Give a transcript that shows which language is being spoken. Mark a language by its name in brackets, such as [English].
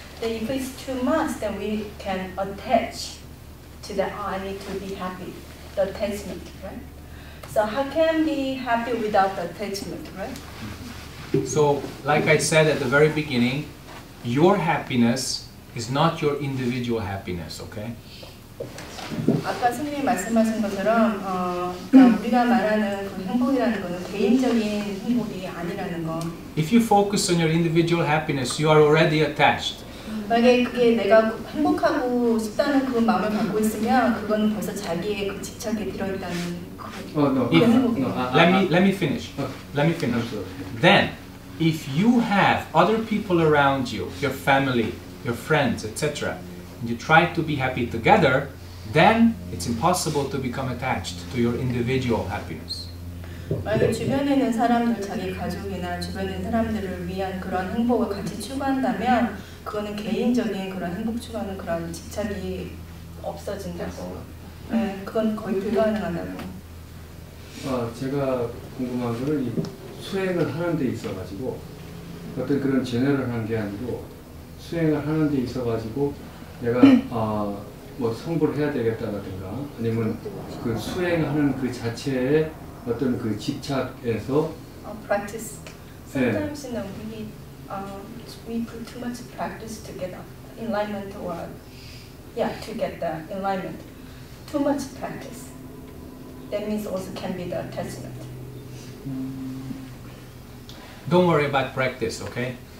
[English] Then if it's 2 months, then we can attach to the I need to be happy, the attachment, right? So how can be happy without the attachment, right? So like I said at the very beginning, your happiness is not your individual happiness, okay? [Korean] 아까 선생님이 말씀하신 것처럼 그러니까 우리가 말하는 그 행복이라는 것은 개인적인 행복이 아니라는 거. [English] If you focus on your individual happiness, you are already attached. [Korean] 만약에 그게 내가 행복하고 싶다는 그 마음을 갖고 있으면 그건 벌써 자기의 그 집착에 들어있다는 그 행복이에요. [English] Let me finish. Okay. Let me finish. Then, if you have other people around you, your family, your friends, etc., and you try to be happy together, then it's impossible to become attached to your individual happiness. [Korean] 만약 주변에 있는 사람들, 자기 가족이나 주변의 사람들을 위한 그런 행복을 같이 추구한다면, 그거는 개인적인 그런 행복 추구하는 그런 집착이 없어진다고. 네, 그건 거의 불가능하다고. 아, 제가 궁금한 거는 이 수행을 하는 데 있어가지고 어떤 그런 제너럴 한 게 아니고 수행을 하는 데 있어가지고 내가 뭐 성불을 해야 되겠다든가 아니면 그 수행하는 그 자체에 어떤 그 집착에서 [English] practice sometimes 네. You know, we put too much practice to get enlightenment or to get the enlightenment too much practice that means also can be the attachment. Don't worry about practice, okay?